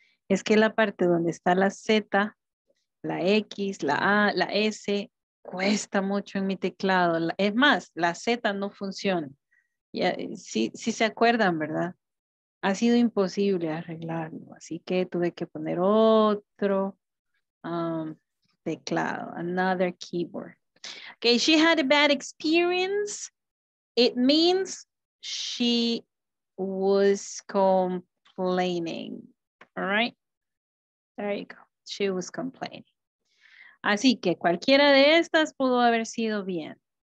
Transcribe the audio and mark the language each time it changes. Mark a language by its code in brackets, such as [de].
[es] Es que la parte donde está la Z, la X, la A, la S, cuesta mucho en mi teclado. Es más, la Z no funciona. Ya, sí se acuerdan, ¿verdad? Ha sido imposible arreglarlo, así que tuve que poner otro teclado, another keyboard. [en] Okay, she had a bad experience. It means she was complaining. All right, there you go. She was complaining. [es] Así que cualquiera de estas pudo haber sido bien.